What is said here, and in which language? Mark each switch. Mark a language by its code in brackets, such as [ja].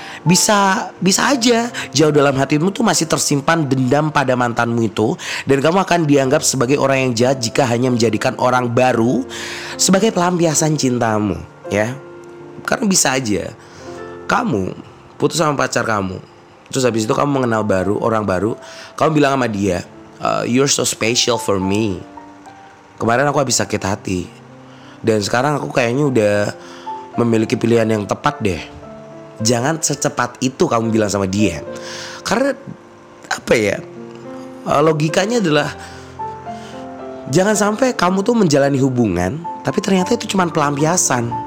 [id] Bisa aja jauh dalam hatimu tuh masih tersimpan dendam pada mantanmu itu, dan kamu akan dianggap sebagai orang yang jahat jika hanya menjadikan orang baru sebagai pelampiasan cintamu, ya. Karena bisa aja kamu putus sama pacar kamu, terus habis itu kamu mengenal baru, orang baru. Kamu bilang sama dia, [en] you're so special for me. [id] Kemarin aku habis sakit hati, dan sekarang aku kayaknya udah memiliki pilihan yang tepat deh. Jangan secepat itu kamu bilang sama dia. Karena apa ya, logikanya adalah jangan sampai kamu tuh menjalani hubungan tapi ternyata itu cuma pelampiasan.